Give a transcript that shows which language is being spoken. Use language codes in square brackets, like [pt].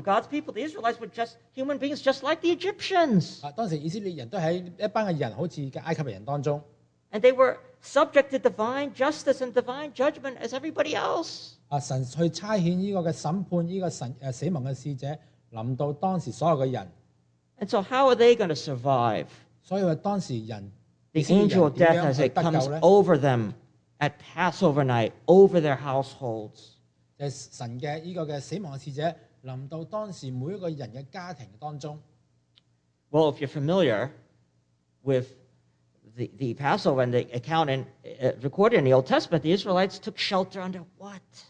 [en] God's people, the Israelites, were just human beings just like the Egyptians. [yue] 當時以色列人都喺一班嘅人，好似嘅埃及人當中。 [en] And they were subject to divine justice and divine judgment as everybody else. [yue] 神去差遣呢個嘅審判，呢個死亡嘅使者臨到當時所有嘅人。 [en] And so how are they going to survive? [yue] 所以當時人, [en] the angel of death as it comes over them at Passover night, over their households. [yue] 神嘅呢個嘅死亡使者臨到當時每一個人嘅家庭當中。 [en] Well, if you're familiar with the Passover and the account in, recorded in the Old Testament, the Israelites took shelter under what?